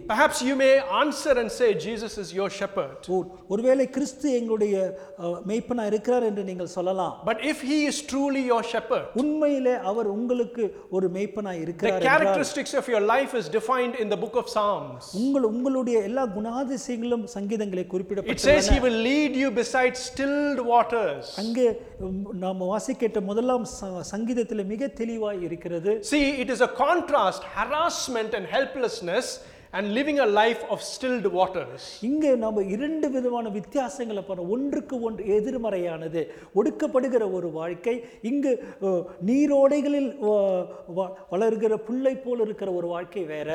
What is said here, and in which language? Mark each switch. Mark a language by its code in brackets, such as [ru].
[en] Perhaps you may answer and say Jesus is your shepherd. [ta] ஒருவேளை கிறிஸ்து எங்களுடைய மேய்ப்பனாய் இருக்கிறார் என்று நீங்கள் சொல்லலாம். [en] But if he is truly your shepherd, [ta] உண்மையிலே அவர் உங்களுக்கு ஒரு மேய்ப்பனாய் இருக்கிறார். [en] The characteristics of your life is defined in the book of Psalms. [ta] உங்களுடைய எல்லா குணாதிசயங்களும் சங்கீதங்களில் குறிப்பிடப்பட்டுள்ளன. [en] It says he will lead you beside stilled waters. [ta] அங்கே நாம் வாசிக்கேட்ட முதலாம் சங்கீதத்தில் மிக தெளிவாய் இருக்கிறது. [en] See, it is a contrast, harassment and helplessness and living a life of stilled waters. [ta] இங்க நாம இரண்டு விதமான வித்தியாசங்களை பார்க்க, ஒன்றுக்கு ஒன்று எதிர்மறையானது. ஒடுக்கப்படுகிற ஒரு வாழ்க்கை, இங்கு நீரோடைகளில் வளர்கிற புல்லை போல இருக்கிற ஒரு வாழ்க்கை வேற.